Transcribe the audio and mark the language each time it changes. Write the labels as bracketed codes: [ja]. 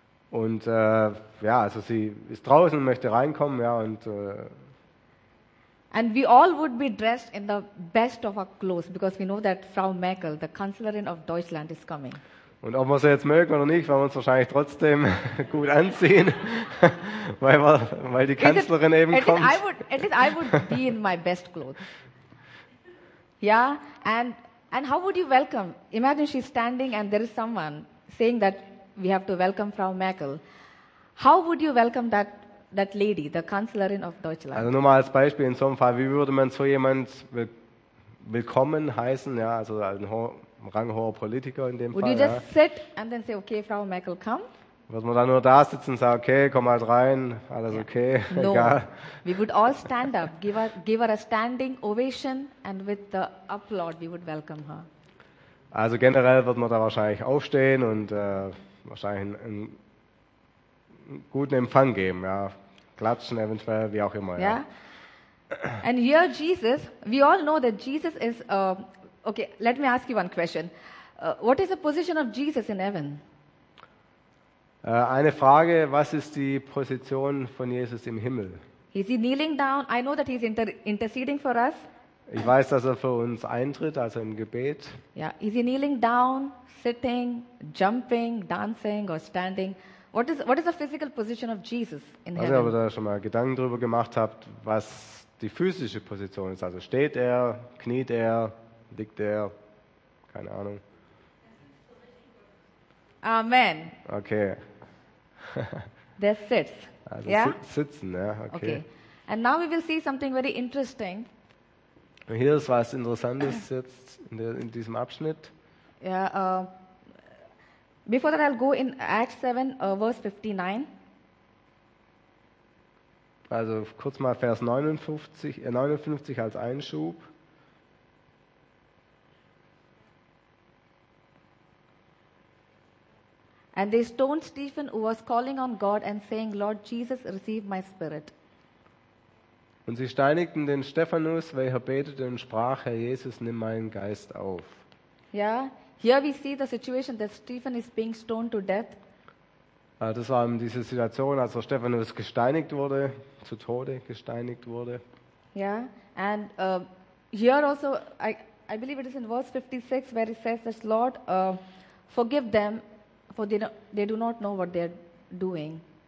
[de] Und ja, also sie ist draußen und möchte reinkommen, ja, und [en] And we all would be dressed in the best of our clothes, because we know that Frau Merkel, the Kanzlerin of Deutschland, is coming. [de] Und ob wir sie jetzt mögen oder nicht, werden wir uns wahrscheinlich trotzdem gut anziehen, weil die Kanzlerin eben kommt. [en] At least I would be in my best clothes. Yeah, and how would you welcome? Imagine she's standing and there is someone saying that we have to welcome Frau Merkel. How would you welcome that lady, the Kanzlerin of Deutschland? [de] Also nur mal als Beispiel in so einem Fall, wie würde man so jemand willkommen heißen, ja, also ein ranghoher Politiker in dem [en] would [de] Fall. [en] Would you just [de] ja. [en] sit and then say, okay, Frau Merkel, come? [de] Was man dann nur da sitzen und sagen, okay, komm halt rein, alles okay, [en] no. [de] Egal. [en] We would all stand up, give her a standing ovation and with the applaud we would welcome her. [de] Also generell wird man da wahrscheinlich aufstehen und wahrscheinlich einen guten Empfang geben, ja. Klatschen eventuell, wie auch immer. [en] Yeah. And here Jesus, we all know that Jesus is, okay, let me ask you one question. What is the position of Jesus in heaven? [de] Eine Frage, was ist die Position von Jesus im Himmel? [en] Is he kneeling down? I know that he's interceding for us. [de] Ich weiß, dass er für uns eintritt, also im Gebet. [en] Yeah. Is he kneeling down, sitting, jumping, dancing or standing? What is the physical position of Jesus in heaven? [de] Also, ob ihr da schon mal Gedanken drüber gemacht habt, was die physische Position ist. Also steht er, kniet er, liegt er, keine Ahnung. Amen. Okay. [en] There sits. [de] Also yeah? Sitzen, ja. Okay. Okay. [en] And now we will see something very interesting. [de] Und hier ist was Interessantes jetzt in diesem Abschnitt. [en] Ja, yeah, before that I'll go in Acts 7, verse 59. [de] Also kurz mal Vers 59 als Einschub. [en] And they stoned Stephen, who was calling on God and saying, Lord Jesus, receive my spirit. [de] Und sie steinigten den Stephanus, weil er betete und sprach, Herr Jesus, nimm meinen Geist auf. [en] Yeah, here we see the situation that Stephen is being stoned to death. [de] Das war eben diese Situation, als Stephanus gesteinigt wurde, zu Tode gesteinigt wurde. [en] Yeah, and here also, I believe it is in verse 56, where it says this, Lord, forgive them, for they do not know what they're doing.